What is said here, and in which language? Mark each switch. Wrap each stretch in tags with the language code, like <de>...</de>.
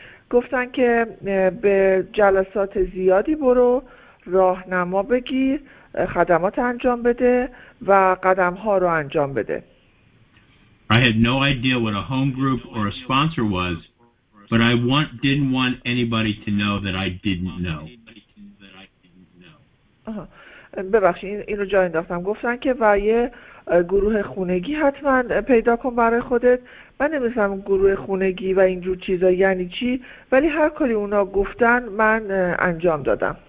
<fa>گفتن که به جلسات زیادی برو، راهنما بگیر، خدمات انجام بده و قدم ها رو انجام بده.</fa> <en>I had no idea what a home group or a sponsor was, but I didn't want anybody to know that I didn't know.</en> <fa>ببخشید اینو جا انداختم. گفتن که و یه گروه خونگی حتما پیدا کن برای خودت. من نمی‌دونم گروه خونگی و این جور چیزا یعنی چی، ولی هر کاری اونا گفتن من انجام دادم.</fa>